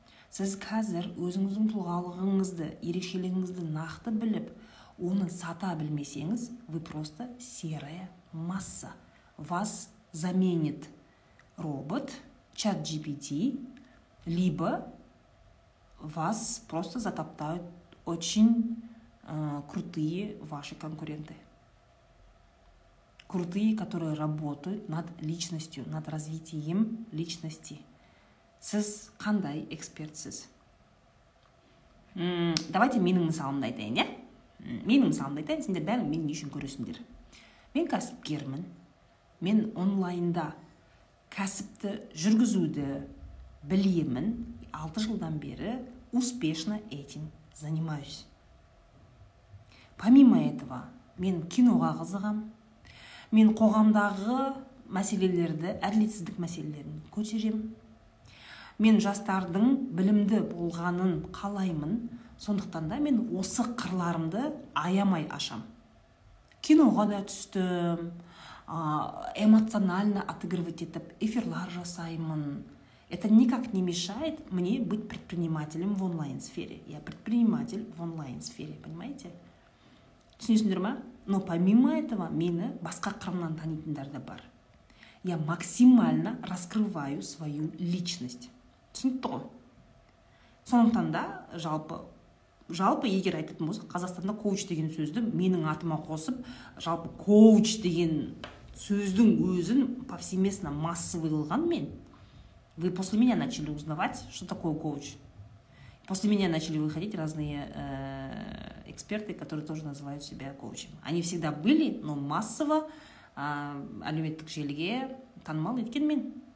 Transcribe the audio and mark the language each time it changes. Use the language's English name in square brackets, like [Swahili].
[Kazakh] Сіз қазір өзіңіздің тұлғалығыңызды, ерекшелігіңізді нақты біліп, оны сата білмесеңіз, [Russian] вы просто серая масса. Вас заменит робот, чат-GPT, либо вас просто затоптают очень крутые ваши конкуренты. Крутые, которые работают над личностью, над развитием личности. [Kazakh] Сіз қандай экспертсіз? Давайте менің мысалымды айтайын, я? Менің мысалымды айтайын, сендер бәрі мен не үшін көресіндер. Мен кәсіпкермін. Мен онлайнда кәсіпті жүргізуді білемін, 6 жылдан бері [Russian] успешно этим занимаюсь. Помимо этого, [Kazakh] мен киноға қызығам, мен қоғамдағы мәселелерді, әділетсіздік мәселелерін көтерем, мен жастардың білімді болғанын қалаймын, сондықтан да мен осы қырларымды аямай ашам. Киноға да түстім, [Russian] эмоционально отыгрывать этот [Kazakh] эфирлар жасаймын. [Russian] Это никак не мешает мне быть предпринимателем в онлайн-сфере. Я предприниматель в онлайн-сфере, понимаете? [Kazakh] Түсінесіңдер ма? [Russian] Но помимо этого, [Kazakh] мені басқа қырымнан танитындар да бар. [Russian] Я максимально раскрываю свою личность. [Kazakh] Түсінді ғой. Сондықтан да, жалпы егер айтып болса, Қазақстанда коуч деген сөзді менің атыма қосып, жалпы коуч деген сөздің өзін повсеместно массовыйлған мен. [Russian] Вы после меня начали узнавать, что такое коуч. После меня начали выходить разные эксперты, которые тоже называют себя коучем. Они всегда были, но массово [Kazakh] әлеуметтік желіге танымал еткен мен.